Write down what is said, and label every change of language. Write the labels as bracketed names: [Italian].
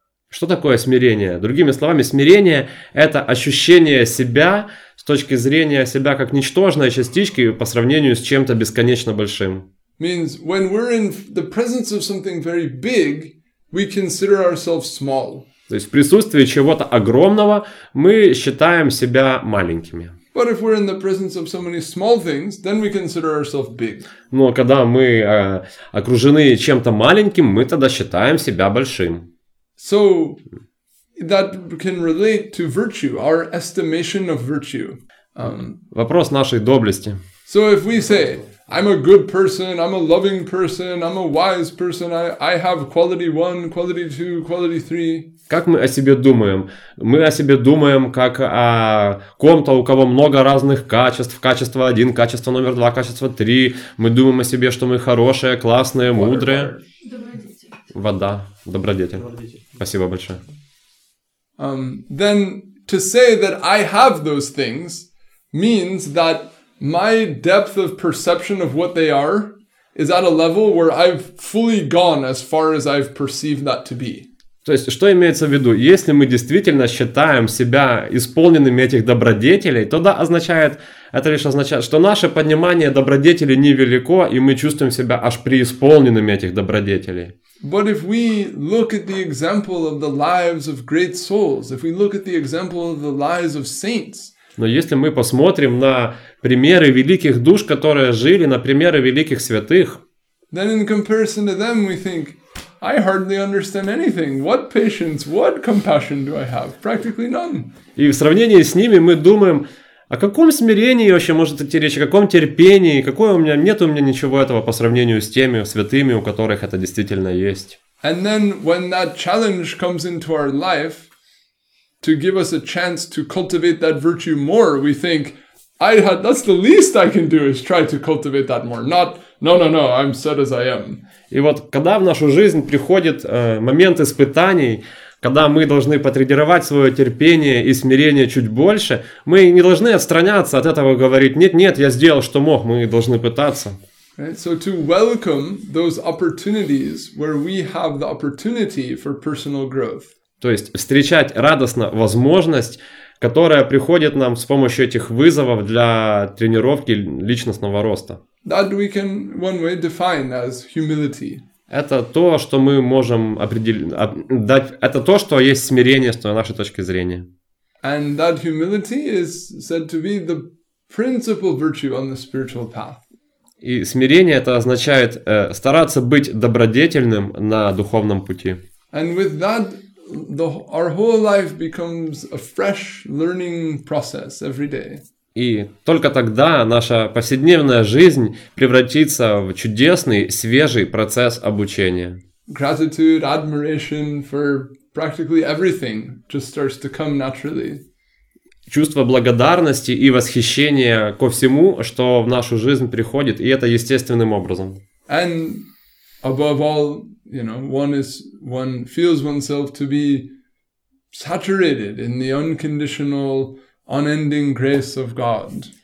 [Russian] Что такое смирение? Другими словами, смирение – это ощущение себя с точки зрения себя как ничтожной частички по сравнению с чем-то бесконечно большим. [English] Means when we're in the presence of something very big, we consider ourselves small. [Russian] То есть в присутствии чего-то огромного мы считаем себя маленькими. [English] But if we're in the presence of so many small things, then we consider ourselves big. [Russian] Но когда мы окружены чем-то маленьким, мы тогда считаем себя большим. [English] So that can relate to virtue, our estimation of virtue. [Russian] Вопрос нашей доблести. [English] So if we say, I'm a good person, I'm a loving person, I'm a wise person, I have quality 1, quality 2, quality 3. [Russian] Как мы о себе думаем? Мы о себе думаем как о ком-то, у кого много разных качеств. Качество 1, качество номер 2, качество 3. Мы думаем о себе, что мы хорошие, классные, мудрые. Добродетель. Вода. Добродетель. Добродетель. Спасибо большое. [English] Then to say that I have those things means that my depth of perception of what they are is at a level where I've fully gone as far as I've perceived that to be. [Russian] То есть, что имеется в виду? Если мы действительно считаем себя исполненными этих добродетелей, то да, означает, это лишь означает, что наше понимание добродетелей невелико, и мы чувствуем себя аж преисполненными этих добродетелей. [English] But if we look at the example of the lives of great souls, if we look at the example of the lives of saints, [Russian] но если мы посмотрим на примеры великих душ, которые жили, на примеры великих святых, [English] then in comparison to them we think, I hardly understand anything. What patience, what compassion do I have? Practically none. [Russian] И в сравнении с ними мы думаем, о каком смирении вообще может идти речь, о каком терпении, какое у меня, нет у меня ничего этого по сравнению с теми святыми, у которых это действительно есть. [English] And then when that challenge comes into our life, to give us a chance to cultivate that virtue more, we think, that's the least I can do is try to cultivate that more. Not, no, I'm set as I am. [Russian] И вот когда в нашу жизнь приходит момент испытаний, когда мы должны потренировать свое терпение и смирение чуть больше, мы не должны отстраняться от этого и говорить, нет, я сделал, что мог, мы должны пытаться. [English] Right? So to welcome those opportunities where we have the opportunity for personal growth. [Russian] То есть встречать радостно возможность, которая приходит нам с помощью этих вызовов для тренировки личностного роста. [English] That we can one way define as humility. [Russian] Это то, что мы можем дать, это то, что есть смирение с нашей точки зрения. [English] And that humility is said to be the principal virtue on the spiritual path. [Russian] И смирение это означает стараться быть добродетельным на духовном пути. [English] And with that, our whole life becomes a fresh learning process every day. [Russian] И только тогда наша повседневная жизнь превратится в чудесный, свежий процесс обучения. [English] Gratitude, admiration for practically everything just starts to come naturally. [Russian] Чувство благодарности и восхищения ко всему, что в нашу жизнь приходит, и это естественным образом. [English] And above all, you know, one feels oneself to be saturated in the unconditional unending grace of God.